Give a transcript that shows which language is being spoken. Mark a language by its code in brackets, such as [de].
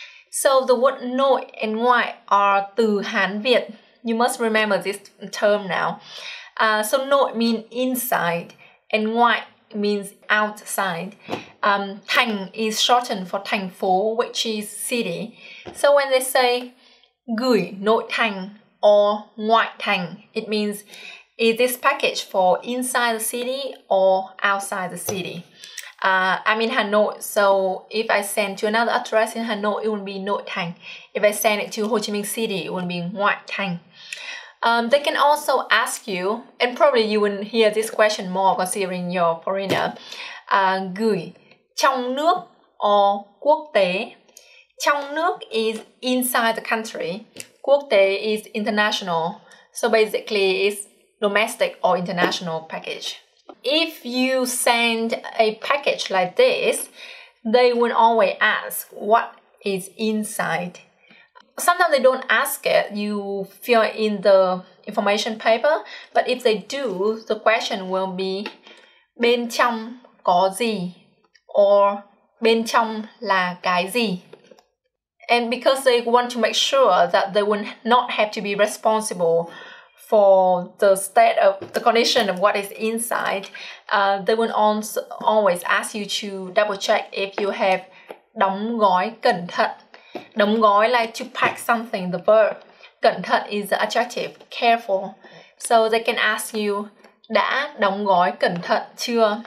[en] So the word nội and ngoại are từ Hán Việt. You must remember this term now. So nội means inside and ngoại means outside. Thành is shortened for thành phố, which is city. So when they say [vi] gửi nội thành [en] or [vi] ngoại thành, [en] it means is this package for inside the city or outside the city? I'm in Hanoi, so if I send to another address in Hanoi, it will be Nội Thành. If I send it to Ho Chi Minh City, it will be Ngoại Thành. They can also ask you, and probably you will hear this question more considering you're a foreigner. [vi] Gửi trong nước [en] or [vi] quốc tế. Trong nước [en] is inside the country. [vi] Quốc tế [en] is international. So basically, it's domestic or international package. If you send a package like this, they will always ask what is inside. Sometimes they don't ask it, you fill in the information paper, but if they do, the question will be [vi] bên trong có gì [en] or [vi] bên trong là cái gì. [en] And because they want to make sure that they will not have to be responsible for the state of the condition of what is inside, they will also always ask you to double check if you have [vi] đóng gói cẩn thận. Đóng gói [en] like to pack something, the verb. [vi] Cẩn thận [en] is the adjective, careful. [vi] So they can ask you, đã đóng gói cẩn thận chưa?